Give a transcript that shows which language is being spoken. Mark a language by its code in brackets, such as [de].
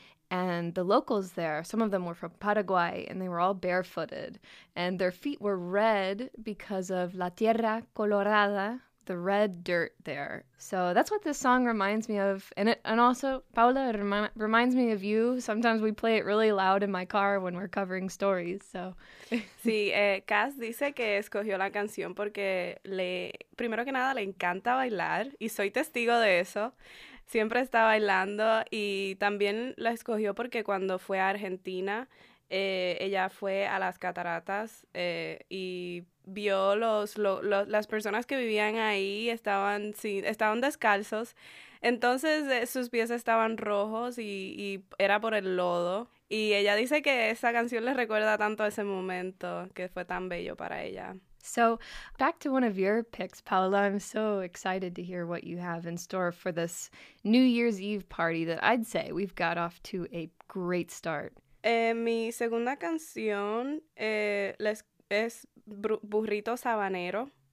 [en] And the locals there, some of them were from Paraguay, and they were all barefooted. And their feet were red because of La Tierra Colorada, the red dirt there. So that's what this song reminds me of. And also, Paola, it reminds me of you. Sometimes we play it really loud in my car when we're covering stories. So, [es] sí, Cass dice que escogió la canción porque primero que nada, le encanta bailar. Y soy testigo de eso. Siempre está bailando. Y también la escogió porque cuando fue a Argentina, ella fue a las cataratas y vio las personas que vivían ahí, estaban descalzos, entonces sus pies estaban rojos y era por el lodo, y ella dice que esa canción le recuerda tanto ese momento que fue tan bello para ella. [en] So, back to one of your picks, Paola. I'm so excited to hear what you have in store for this New Year's Eve party that I'd say we've got off to a great start. [es] Mi segunda canción es Burrito Sabanero.